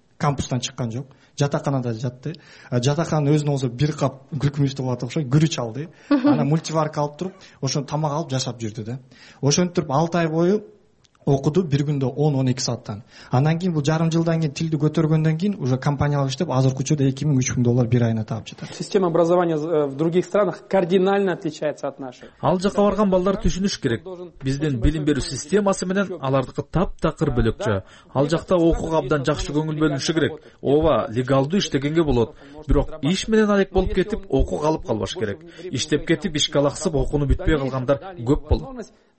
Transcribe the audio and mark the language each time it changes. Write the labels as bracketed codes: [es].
[ky] Кампустан чыккан жок, жатаканада жатты. Жатакананын өзүнө болсо бир кап күлкүмүштү кылат окшойт, күрүч алды, анан мультиварка алып туруп ошону тамак алып жашап жүрдү да. Ошентип 6 ай бою окуду, бир күндө 10-12 сааттан. Андан кийин бул жарым жылдан кийин тилди көтөргөндөн кийин уже компаниялар иштеп азыркы учурда $2000-$3000 бир айына таап жатат. [ru] Система образования в других странах кардинально отличается от нашей. [ky] Ал жака барган балдар түшүнүш керек. Биздин билим берүү системасы менен алардыкы таптакыр бөлөкчө. Ал жакта окууга абдан жакшы көңүл бөлүнүшү керек. Ооба, легалдуу иштегенге болот, бирок иш менен алек болуп кетип окуу калып калбаш керек. Иштеп кетип ишке алаксып окууну бүтпөй калгандар көп болот.